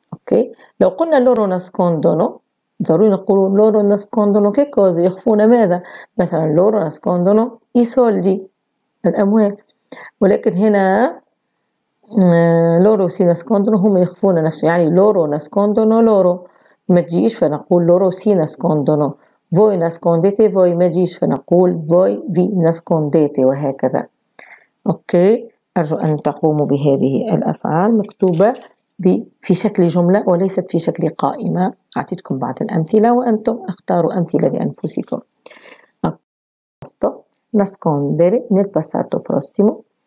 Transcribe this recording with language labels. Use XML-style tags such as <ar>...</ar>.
<it>Ok, لو قلنا loro nascondono, ضروري نقول loro nascondono che cosa,</it> <ar>يخفون ماذا,</ar> <it>مثلا loro nascondono i soldi,</it> <ar>الأموال.</ar> <it>ولكن هنا loro si nascondono,</it> <ar>هم يخفون نفسهم, يعني</ar> <it>loro nascondono loro,</it> <ar>ما تجيش فنقول</ar> <it>loro si nascondono, voi nascondete voi, ما تجيش فنقول voi vi nascondete,</it> <ar>وهكذا. أوكي, أرجو أن تقوموا بهذه الأفعال مكتوبة في شكل جملة وليست في شكل قائمة. أعطيتكم بعض الأمثلة وأنتم اختاروا أمثلة لأنفسكم.</ar> <it>nascondere nel passato prossimo.</it>